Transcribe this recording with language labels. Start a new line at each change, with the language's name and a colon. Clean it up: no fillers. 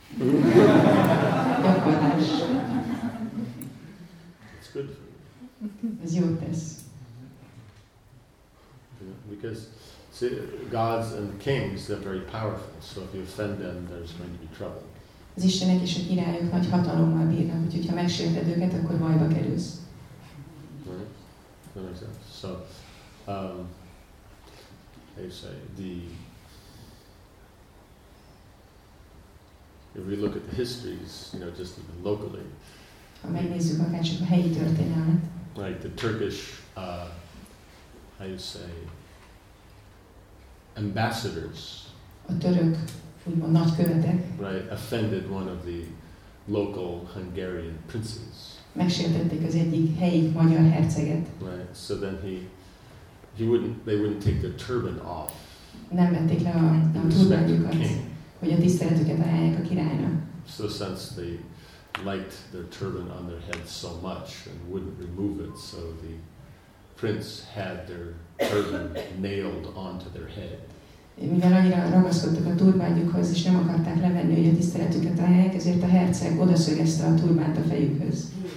English: Practice. It's good for you. Yeah, because see, gods and kings, they're very powerful, so if you offend them, there's going to be trouble.
Hungarian: Az istenek és a királyok nagy hatalommal bírnak, úgyhogy ha megsérted őket, akkor bajba kerülsz.
English: Right? That makes sense. So, how you say, if we look at the histories, you know, just even locally.
Hungarian: Ha megnézzük akár csak a helyi történelmet.
English: Like the Turkish, how you say, ambassadors.
Hungarian: A török, úgymond nagykövetek.
English: Right, offended one of the local Hungarian princes.
Hungarian: Megsértették az egyik helyi magyar herceget.
English: Right, so then they wouldn't take the turban off.
Hungarian: Nem vették le a turbanjukat, hogy a tiszteletüket ajánlják a királyra.
English: So since they liked their turban on their heads so much and wouldn't remove it, so the prince had their turban nailed onto their head.
Hungarian: Mivel annyira ragaszkodtak a turbányukhoz, és nem akarták levenni, hogy a tiszteletüket ajánlják, ezért a herceg odaszögezte a turbánt a fejükhöz.